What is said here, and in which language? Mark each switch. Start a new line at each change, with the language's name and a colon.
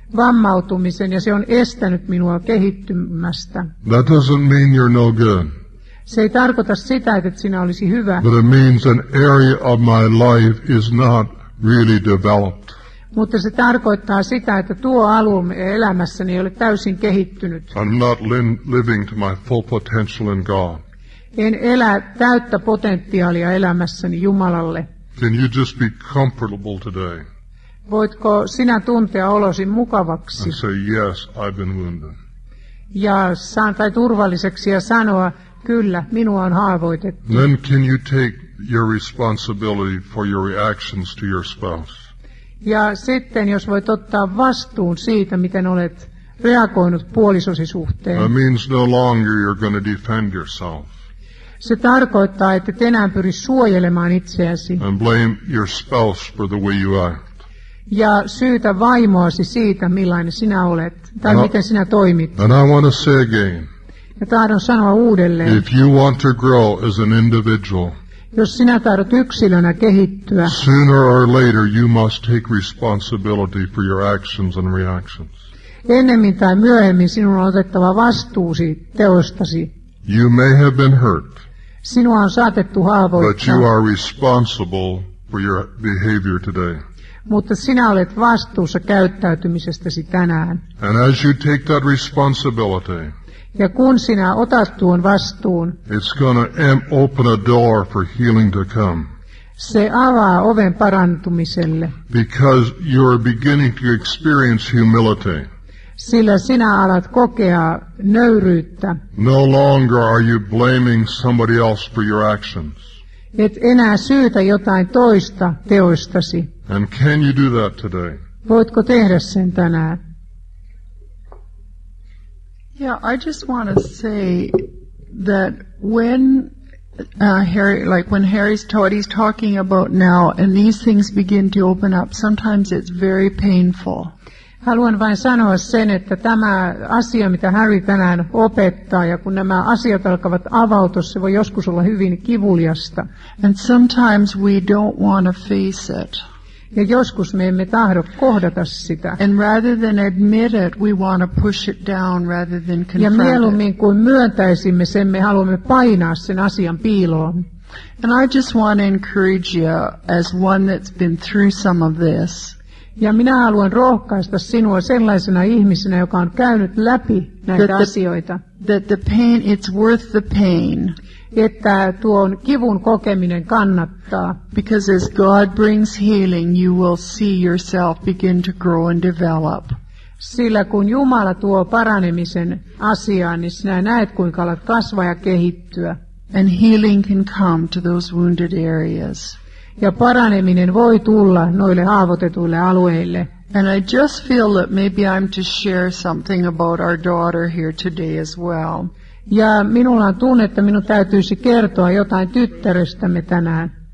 Finnish: Vammautumisen, ja se on estänyt minua kehittymästä.
English: That doesn't mean you're no good.
Finnish: Se ei tarkoita sitä, että sinä olisi hyvä.
English: But it means an area of my life is not really developed.
Finnish: Mutta se tarkoittaa sitä, että tuo alue elämässäni ei ole täysin kehittynyt.
English: I'm not living to my full potential in God.
Finnish: En elä täyttä potentiaalia elämässäni Jumalalle.
English: Can you just be comfortable today?
Finnish: Voitko sinä tuntea olosi mukavaksi?
English: And say, yes, I've been wounded.
Finnish: Ja saan tai turvalliseksi ja sanoa, kyllä, minua on haavoitettu.
English: Then can you take your responsibility for your reactions to your spouse?
Finnish: Ja sitten, jos voit ottaa vastuun siitä, miten olet reagoinut puolisosi suhteen.
English: That means no longer you're going to defend yourself.
Finnish: Se tarkoittaa, että et enää pyri suojelemaan itseäsi.
English: And blame your spouse for the way you act.
Finnish: Ja syytä vaimoasi siitä, millainen sinä olet, tai miten sinä toimit.
English: And I want to say again.
Finnish: Ja tahdon sanoa uudelleen.
English: If you want to grow as an individual.
Finnish: Jos sinä tahdot yksilönä kehittyä.
English: Sooner or later you must take responsibility for your actions and reactions.
Finnish: Ennemmin tai myöhemmin sinun on otettava vastuusi teostasi.
English: You may have been hurt.
Finnish: Sinua on saatettu haavoittaa.
English: But you are responsible for your behavior today.
Finnish: Mutta sinä olet vastuussa käyttäytymisestäsi tänään.
English: And as you take that responsibility.
Finnish: Ja kun sinä otat tuon vastuun.
English: It's going to open a door for healing to come.
Finnish: Se avaa oven parantumiselle.
English: Because you're beginning to experience humility.
Finnish: Sillä sinä alat kokea nöyryyttä.
English: No longer are you blaming somebody else for your actions.
Finnish: Et enää syytä jotain toista teoistasi.
English: And can you do that today?
Finnish: Voitko tehdä sen tänään?
English: Yeah, I just want to say that when Harry, like when Harry's taught, he's talking about now, and these things begin to open up, sometimes it's very painful.
Finnish: Haluan vain sanoa sen, että tämä asia, mitä Harry tänään opettaa, ja kun nämä asiat alkavat avautua, se voi joskus olla hyvin kivuliasta.
English: And sometimes we don't want to face it.
Finnish: Ja joskus me emme tahdo kohdata sitä.
English: And rather than admit it, we want to push it down rather than confront it.
Finnish: Ja mieluummin kuin myöntäisimme sen, me haluamme painaa sen asian piiloon.
English: And I just want to encourage you as one that's been through some of this.
Finnish: Ja minä haluan rohkaista sinua sellaisena ihmisenä, joka on käynyt läpi näitä asioita.
English: That the pain, it's worth the pain.
Finnish: Että tuon kivun kokeminen kannattaa.
English: Because as God brings healing, you will see yourself begin to grow and develop.
Finnish: Sillä kun Jumala tuo paranemisen asiaan, niin sinä näet, kuinka alat kasvaa ja kehittyä.
English: And healing can come to those wounded areas.
Finnish: Ja paraneminen voi tulla noille haavoitetuille alueille.
English: And I just feel that maybe I'm to share something about our daughter here today as well.
Finnish: Ja minulla on tunne, että minun täytyisi kertoa jotain tyttärestämme tänään.